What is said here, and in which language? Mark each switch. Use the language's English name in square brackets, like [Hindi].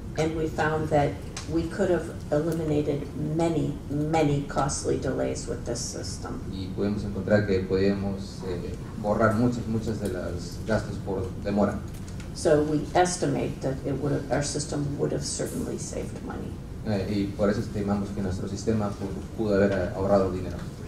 [English] And we found that we could have eliminated many, many costly delays with this system. [Spanish] Y podemos encontrar que podemos borrar muchas de los gastos por demora. [English] So we estimate that our system would have certainly saved money. [Spanish] Y por eso estimamos que nuestro sistema pudo haber ahorrado dinero.